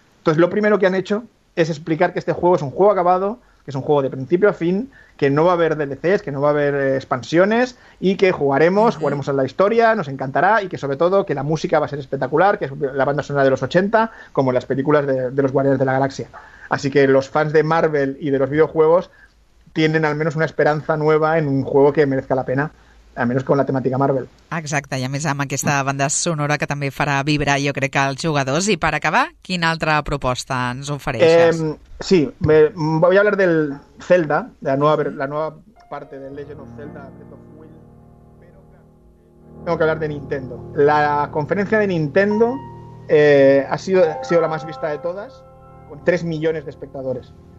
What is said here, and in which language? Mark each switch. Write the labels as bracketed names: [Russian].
[Spanish] Entonces, lo primero que han hecho es explicar que este juego es un juego acabado, que es un juego de principio a fin, que no va a haber DLCs, que no va a haber expansiones, y que jugaremos a la historia, nos encantará, y que sobre todo que la música va a ser espectacular, que es la banda sonora de los 80, como las películas de los Guardianes de la Galaxia. Así que los fans de Marvel y de los videojuegos tienen al menos una esperanza nueva en un juego que merezca la pena, al menos con la temática Marvel. [Catalan] Exacte, i a més amb aquesta banda sonora que també farà vibrar, jo crec, als jugadors. I per acabar, quina altra proposta ens ofereixes? [Spanish] Sí, voy a hablar del Zelda, de la nueva parte del Legend of Zelda, Breath of Wild, pero tengo que hablar de Nintendo. La conferencia de Nintendo ha sido la más vista de todas, con 3 millones de espectadores.